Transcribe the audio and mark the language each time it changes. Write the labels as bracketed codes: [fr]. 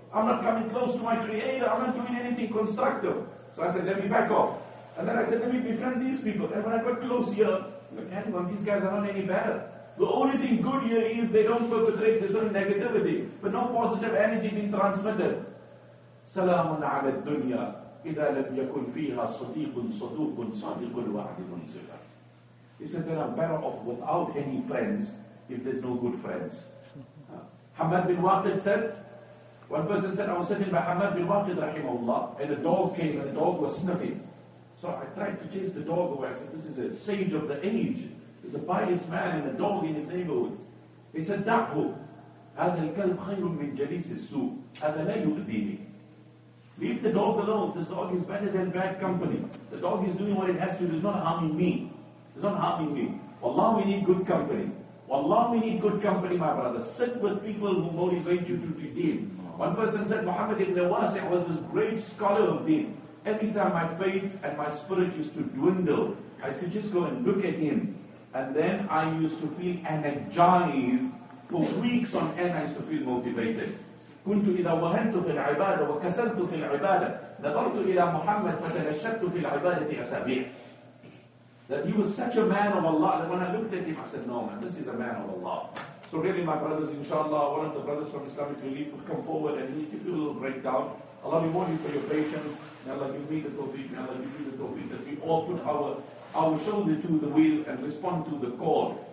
[en] I'm not coming close to my Creator. I'm not doing anything constructive. So I said, let me back off. And then I said, let me befriend these people. And when I got close here, hang on, these guys are not any better. The only thing good here is they don't perpetrate this own negativity. But no positive energy being transmitted. [ar] سلام على الدنيا إذا لم يكن فيها صديق صدوق صادق الوعد منزلا. [en] He said that I'm better off without any friends if there's no good friends. Hamad bin Waqid said, one person said, I was sitting by Hamad bin Waqid rahimahullah, and a dog came and the dog was sniffing. So I tried to chase the dog away. I said, this is a sage of the age. There's a pious man and a dog in his neighborhood. He said, Dahu. [ar] هذا الكلب خير من جليس السوء، هذا لا يؤذيني. [en] Leave the dog alone. This dog is better than bad company. The dog is doing what it has to do. It's not harming me. It's not harming me. Wallah, we need good company. Wallah, we need good company, my brother. Sit with people who motivate you to deen. One person said, Muhammad ibn Wasi' was this great scholar of deen. Every time my faith and my spirit used to dwindle, I used to just go and look at him. And then I used to feel energized. For weeks on end, I used to feel motivated. [ar] كنت إذا وهنت في العبادة وكسلت في العبادة نظرت إلى محمد فتنشدت في العبادة أسابيع. [en] That he was such a man of Allah that when I looked at him I said, no man, this is a man of Allah. So really my brothers, inshallah, one of the brothers from Islamic Relief would come forward and he would give you a little breakdown. Allah be warning for your patience. May Allah give me the tawfiq, may Allah give you the tawfiq, that we all put our shoulder to the wheel and respond to the call.